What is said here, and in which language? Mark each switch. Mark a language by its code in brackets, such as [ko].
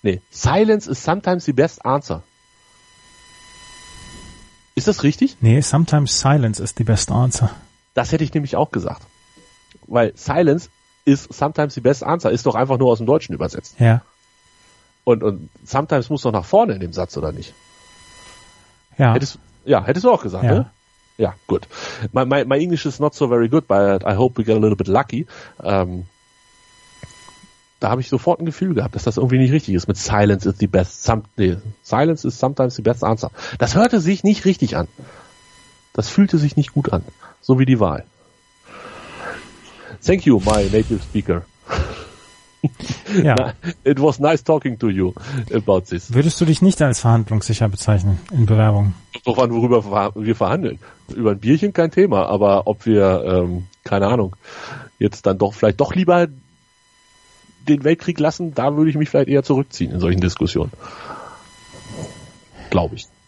[en] Silence is sometimes the best answer. [de] Ist das richtig? [en] Nee, sometimes silence is the best answer. [de] Das hätte ich nämlich auch gesagt. Weil [en] silence is sometimes the best answer [de] ist doch einfach nur aus dem Deutschen übersetzt. Ja. Und sometimes muss doch nach vorne in dem Satz, oder nicht? Ja. Hättest du auch gesagt, ja. Ne? Ja, gut. [en] My English is not so very good, but I hope we get a little bit lucky. [de] Da habe ich sofort ein Gefühl gehabt, dass das irgendwie nicht richtig ist. Mit [en] silence is the best. Silence is sometimes the best answer. [de] Das hörte sich nicht richtig an. Das fühlte sich nicht gut an. So wie die Wahl. [en] Thank you, my native speaker. [de] Ja. [en] It was nice talking to you about this. [de] Würdest du dich nicht als verhandlungssicher bezeichnen in Bewerbung? Doch, worüber wir verhandeln. Über ein Bierchen kein Thema, aber ob wir, keine Ahnung, jetzt dann doch vielleicht doch lieber den Weltkrieg lassen, da würde ich mich vielleicht eher zurückziehen in solchen Diskussionen. Glaube ich.